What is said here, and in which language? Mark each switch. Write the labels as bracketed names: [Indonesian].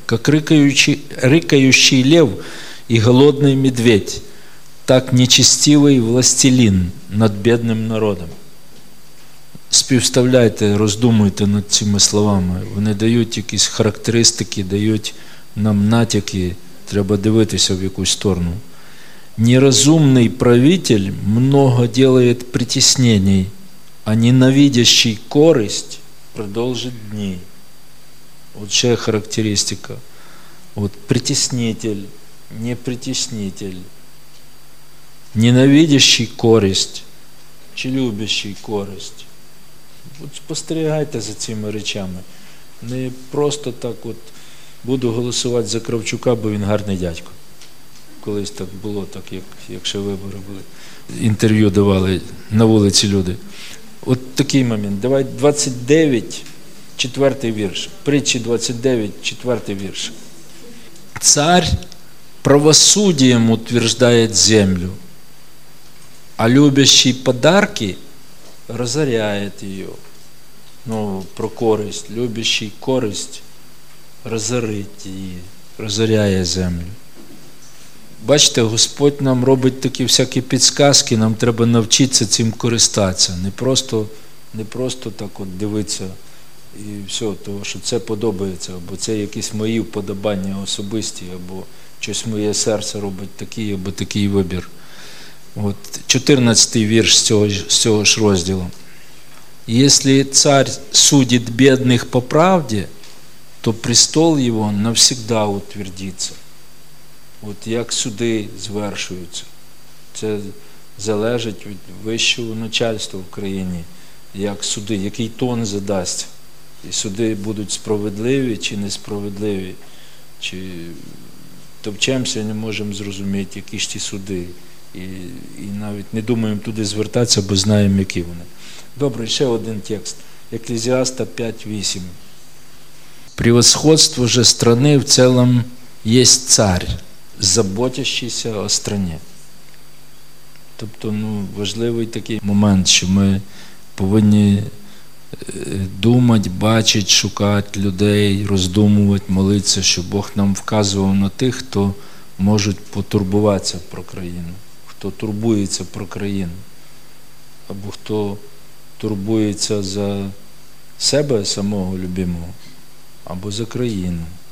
[Ukrainian] Як рикаючий лев і голодний медведь, так нечестивий властелин над бідним народом. Співставляйте, роздумуйте над цими словами. Вони дають якісь характеристики, дають нам натяки, треба дивитися в якусь сторону. Нерозумний правитель [Russian] много делает притеснений, а ненавидящий [Ukrainian] користь продовжить дні. От ще характеристика. От притеснитель, не притеснитель, ненавидящий користь чи любящий користь. От спостерігайте за цими речами. Не просто так от буду голосувати за Кравчука, бо він гарний дядько. Колись так було, так як ще вибори були. Інтерв'ю давали на вулиці люди. От такий момент. Давай 29, 4 вірш. Притчі 29, 4 вірш. Цар правосуддям утверждає землю, [Russian] а любящий подарки [Ukrainian] розоряє її. Ну, про користь, любящий користь розорить її, розоряє землю. Бачите, Господь нам робить такі всякі підсказки, нам треба навчитися цим користатися. Не просто так от дивитися і все, того, що це подобається, або це якісь мої вподобання особисті, або щось моє серце робить такий, або такий вибір. От 14-й вірш з цього ж розділу. [Russian] Если царь судит бедных по правде, то престол его навсегда утвердится. [Ukrainian] От як суди звершуються. Це залежить від вищого начальства в країні, як суди, який тон задасть. І суди будуть справедливі чи несправедливі, чи товчемося, не можемо зрозуміти, які ж ті суди. І навіть не думаємо туди звертатися, бо знаємо, які вони. Добре, ще один текст. Екклезіаста 5:8. [Russian] Превосходство же страны в целом есть царь, заботящийся о стране. [Ukrainian] Тобто, ну, важливий такий момент, що ми повинні думати, бачити, шукати людей, роздумувати, молитися, щоб Бог нам вказував на тих, хто може потурбуватися про країну, хто турбується про країну, або хто турбується за себе самого любимого або за країну.